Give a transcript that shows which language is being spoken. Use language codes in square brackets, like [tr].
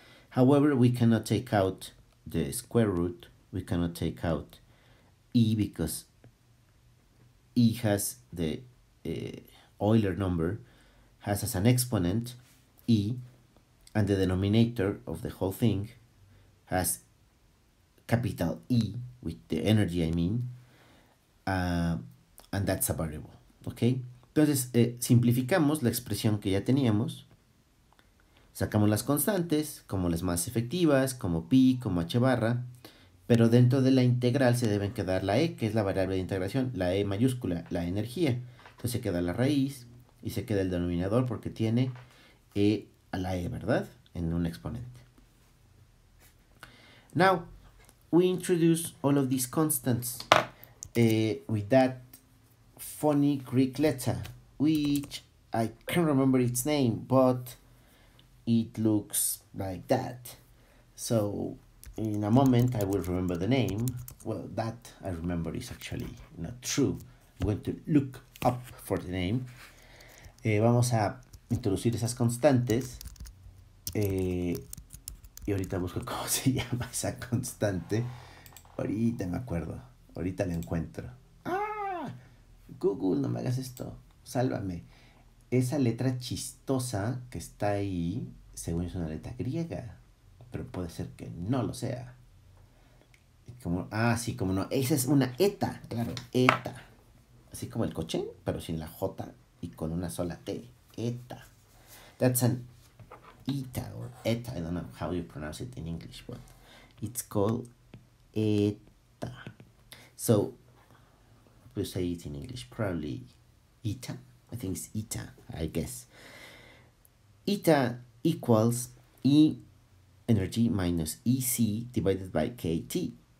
[en] However, we cannot take out the square root. We cannot take out e because e has the Euler number, has as an exponent e, and the denominator of the whole thing has capital E, with the energy, I mean, and that's a variable, okay? [es] Entonces, simplificamos la expresión que ya teníamos, sacamos las constantes, como las más efectivas, como pi, como h barra, pero dentro de la integral se deben quedar la e, que es la variable de integración, la e mayúscula, la energía. Entonces, se queda la raíz y se queda el denominador porque tiene e a la e, ¿verdad? En un exponente. [en] Now, we introduce all of these constants with that funny Greek letter, which I can't remember its name, but it looks like that. So, in a moment, I will remember the name. Well, that I remember is actually not true. I'm going to look up for the name. [es] Vamos a introducir esas constantes. Y ahorita busco cómo se llama esa constante. Ahorita me acuerdo. Ahorita la encuentro. ¡Ah! Google, no me hagas esto. Sálvame. Esa letra chistosa que está ahí, según es una letra griega. Pero puede ser que no lo sea. Como, ah, sí, como no. Esa es una eta, claro. Eta. Así como el coche, pero sin la J y con una sola T. [en] Eta. That's an eta or eta. I don't know how you pronounce it in English, but it's called eta. So, we say it in English, probably eta. I think it's eta, I guess. Eta equals E energy minus EC divided by KT.